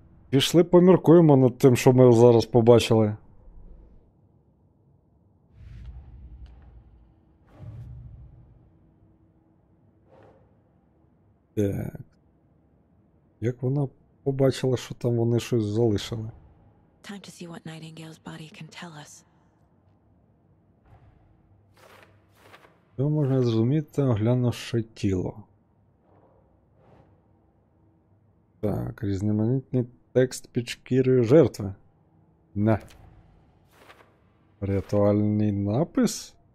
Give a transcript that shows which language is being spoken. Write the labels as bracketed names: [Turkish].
[Ukrainian] Пішли поміркуємо над тим, що ми зараз побачили. Так. Як вона побачила, що там вони щось залишили? [English] Time to see what Nightingale's body can tell us. [Ukrainian] Що можна зрозуміти, оглянувши тіло. Так, різноманітний текст під шкірою жертви. Не. Ритуальний напис?